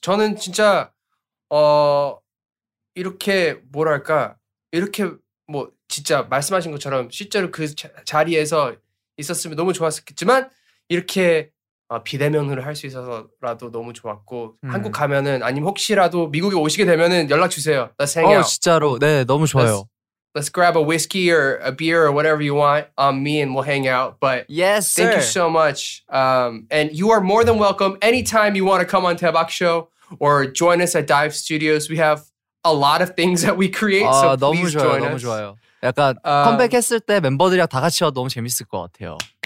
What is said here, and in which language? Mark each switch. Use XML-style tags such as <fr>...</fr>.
<ko>저는 진짜 이렇게 뭐랄까 이렇게 뭐 진짜 말씀하신 것처럼 실제로 그 자리에서 있었으면 너무 좋았겠지만 이렇게 비대면으로 할 수 있어서라도 너무 좋았고 한국 가면은 아니면 혹시라도 미국에 오시게 되면은 연락 주세요.</ko> <en>Let's hang out.</en> <ko>진짜로 네 너무 좋아요.</ko> <en>Let's grab a whiskey or a beer or whatever you want on me and we'll hang out. But yes, sir. Thank you so much. And you are more than welcome anytime you want to come on Taebak Show or join us at Dive Studios. We have a lot of things that we create. So please</en> <ko>너무 좋아요,</ko> <en>join</en> <ko>너무</ko> <en>us.</en> <ko>좋아요. 약간 컴백했을 때 멤버들이랑 다 같이 와도 너무 재밌을 것 같아요.</ko>